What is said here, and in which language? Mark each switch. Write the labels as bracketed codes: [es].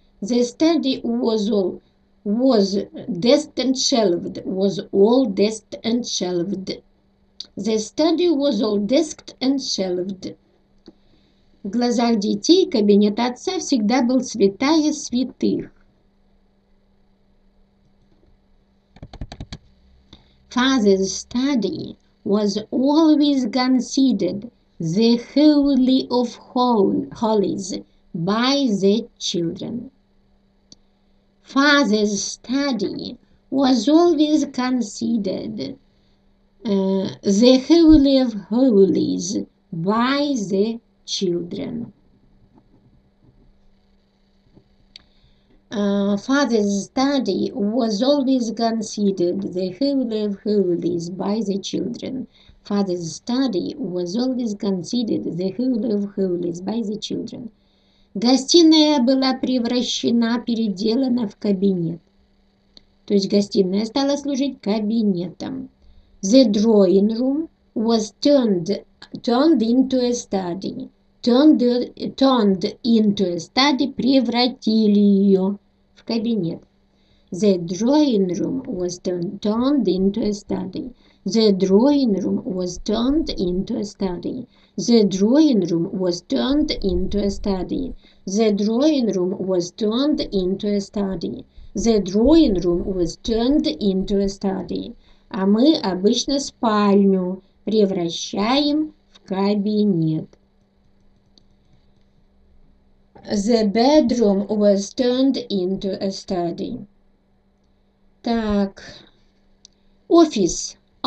[en] The study was all desked and shelved. Was all desked and shelved. The study was all desked and shelved. [ru] В глазах детей кабинет отца всегда был святая святых. [en] Father's study was always considered the holy of holies by the children. Father's study was always considered the holy of holies by the children. Father's study was always considered the holy of holies by the children. Father's study was always considered the holy of holies by the children. [ru] Гостиная была превращена, переделана в кабинет. То есть гостиная стала служить кабинетом. [en] The drawing room was turned into a study. Turned into a study, [ru] превратили ее в кабинет. [en] The drawing room was turned into a study. The drawing room was turned into a study. The drawing room was turned into a study. The drawing room was turned into a study. The drawing room was turned into a study. [ru] А мы обычно спальню превращаем в кабинет. [en] The bedroom was turned into a study. [ru] Так, офис.